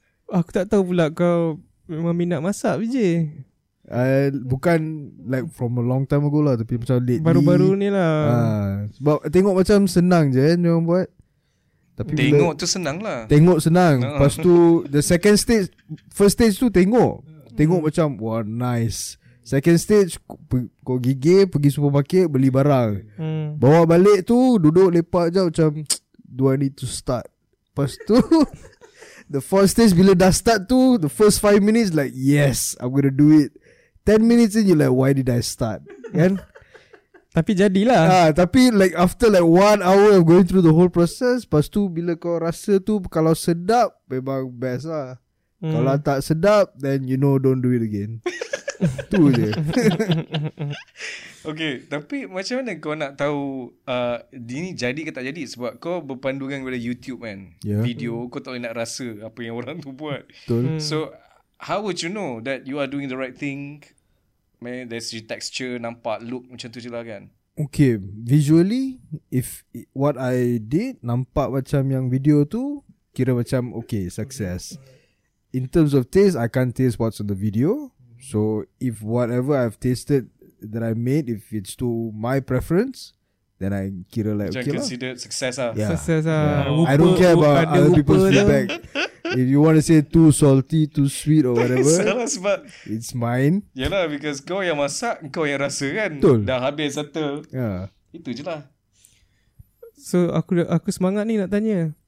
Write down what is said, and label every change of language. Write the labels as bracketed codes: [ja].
[ms] Aku tak tahu pula kau memang minat masak, VJ. [en] Bukan like from a long time ago lah, tapi macam lately. [ms] Baru-baru ni lah. Sebab tengok macam senang je kan dia buat. Tapi tengok tu senang lah. Tengok senang. Lepas tu [en] the second stage, first stage [ms] tu tengok. Tengok macam wah nice. Second stage, kau gigih pergi supermarket beli barang. Hmm. Bawa balik tu duduk lepak je macam [en] do I need to start. [ms] Lepas tu [en] the fourth stage bila dah start tu, the first 5 minutes like yes, I'm gonna do it. 10 minutes in you like why did I start? [ms] Kan? Tapi jadilah. [en] Ha, tapi like after like 1 hour of going through the whole process, [ms] lepas tu bila kau rasa tu kalau sedap memang best lah. [en] Hmm. [ms] Kalau tak sedap [en] then you know don't do it again. [ms] Tu je. Okay, tapi macam mana kau nak tahu ini jadi ke tak jadi? Sebab kau berpandukan kepada YouTube kan, yeah. Video, kau tak boleh nak rasa apa yang orang tu buat. Betul. [en] So how would you know that you are doing the right thing? Maybe there's your texture, [ms] nampak look macam tu je lah kan. [en] Okay, visually if what I did [ms] nampak macam yang video tu, kira macam [en] okay, success. In terms of taste, I can't taste what's on the video. So if whatever I've tasted that I made, if it's to my preference, then I kira like okay lah. Consider success lah. Yeah. Success lah. Yeah. I don't care about other people's feedback. If you want to say too salty, too sweet or whatever, it's mine. [ms] Yelah, because kau yang masak, kau yang rasa kan. Betul. Dah habis satu. Yeah. Itu je lah. So aku semangat ni nak tanya.